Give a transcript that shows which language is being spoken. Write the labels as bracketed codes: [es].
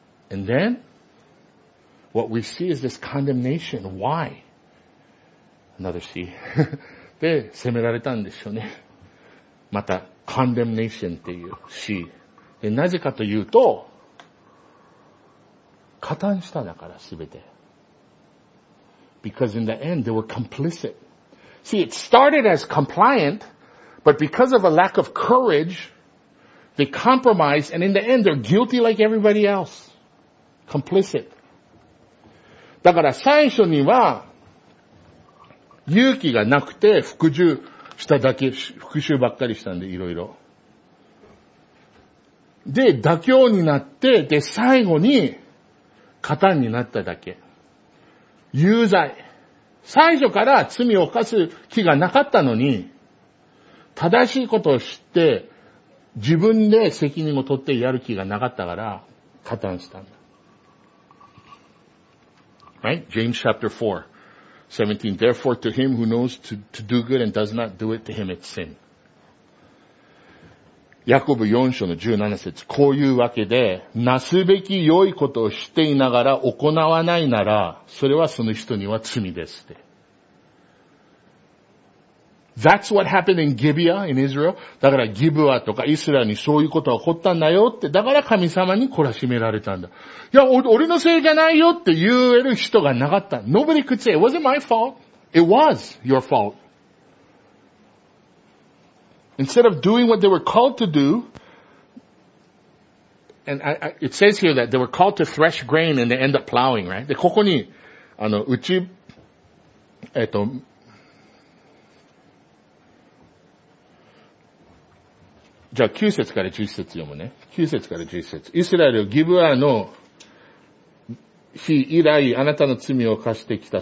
[en] And then,What we see is this condemnation. Why? Another C. [ja] で、責められたんでしょうね。また、condemnation っていう C。で、なぜかというと、加担しただから、すべて。 [en] Because in the end, they were complicit. See, it started as compliant, but because of a lack of courage, they compromised, and in the end, they're guilty like everybody else. Complicit. [ja] だから最初には勇気がなくて服従しただけ、復讐ばっかりしたんでいろいろ。で、妥協になって、で、最後に加担になっただけ。有罪。最初から罪を犯す気がなかったのに、正しいことを知って自分で責任を取ってやる気がなかったから加担したんだ。 [en] Right? James chapter 4, 17. Therefore to him who knows to do good and does not do it to him it's sin. [ja] ヤコブ4章の17節。こういうわけで、なすべき良いことをしていながら行わないなら、それはその人には罪ですって。 [en] That's what happened in Gibeah in Israel. [ja] だからギブアとかイスラエルにそういうことが起こったんだよって、だから神様に懲らしめられたんだ。いや、俺のせいじゃないよって言える人がなかった。 [en] Nobody could say, it wasn't my fault. It was your fault. Instead of doing what they were called to do, and it says here that they were called to thresh grain and they end up plowing, right? [ja] で、ここに、うち、じゃあ9節から11節読むね。 9節から11節。イスラエル、ギブアの日以来あなたの罪を犯してきた。